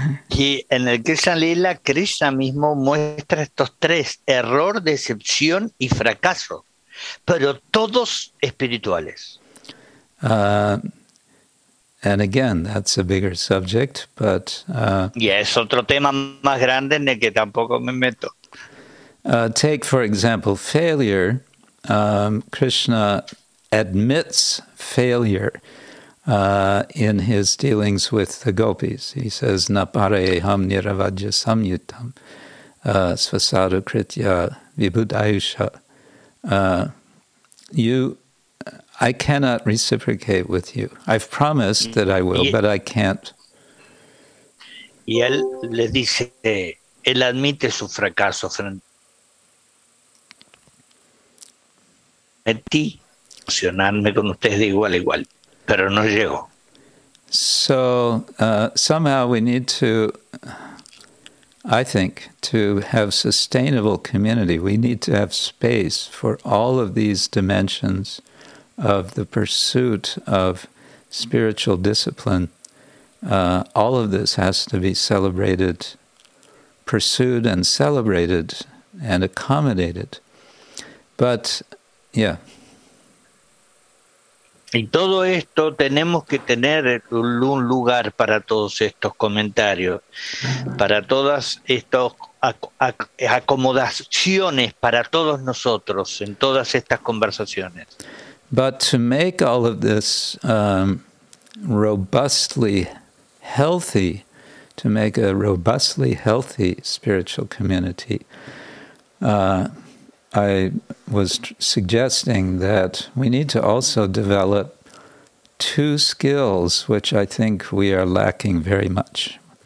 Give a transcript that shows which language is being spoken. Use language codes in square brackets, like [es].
[es] Y en el Krishna Lila, Krishna mismo muestra estos tres: error, decepción y fracaso, pero todos espirituales. [en] And again, that's a bigger subject, but... [es] Yeah, es otro tema más grande en el que tampoco me meto. [en] Take, for example, failure. Krishna admits failure in his dealings with the gopis. He says, [sa] Napareham niravajya samyutam svasadu kritya vibhudayusha. [en] I cannot reciprocate with you. I've promised that I will, but I can't. [es] Y él le dice, él admite su fracaso frente a ti, fusionarme con ustedes de igual a igual, pero no llegó. [en] So somehow we need to, I think, to have sustainable community. We need to have space for all of these dimensions of the pursuit of spiritual discipline. All of this has to be celebrated, pursued and celebrated and accommodated. But, yeah. [es] Y todo esto, tenemos que tener un lugar para todos estos comentarios, para todas estas acomodaciones, para todos nosotros, en todas estas conversaciones. [en] But to make all of this robustly healthy, to make a robustly healthy spiritual community, I was suggesting that we need to also develop two skills, which I think we are lacking very much.